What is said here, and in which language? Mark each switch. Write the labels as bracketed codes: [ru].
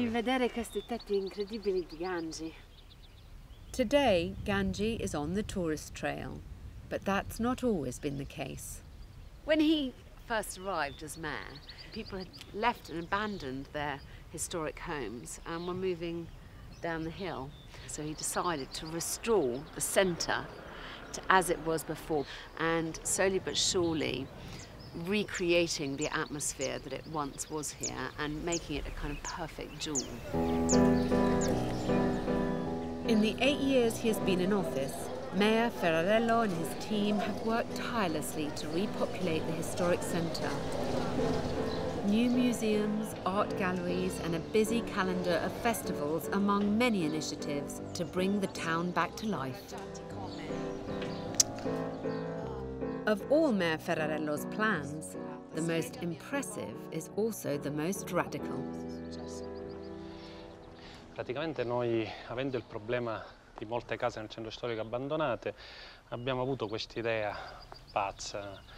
[it] E di vedere questi tetti incredibili di Ganges. [en] Today, Ganges is on the tourist trail, but that's not always been the case. When he first arrived as mayor, people had left and abandoned their historic homes and were moving down the hill. So he decided to restore the centre to as it was before, and slowly but surely recreating the atmosphere that it once was here and making it a kind of perfect jewel. In the 8 years he has been in office, Mayor Ferrarello and his team have worked tirelessly to repopulate the historic centre. New museums, art galleries, and a busy calendar of festivals among many initiatives to bring the town back to life. Of all Mayor Ferrarello's plans, the most impressive is also the most radical. [it] Praticamente noi, avendo il problema di molte case nel centro storico abbandonate, abbiamo avuto questa idea pazza.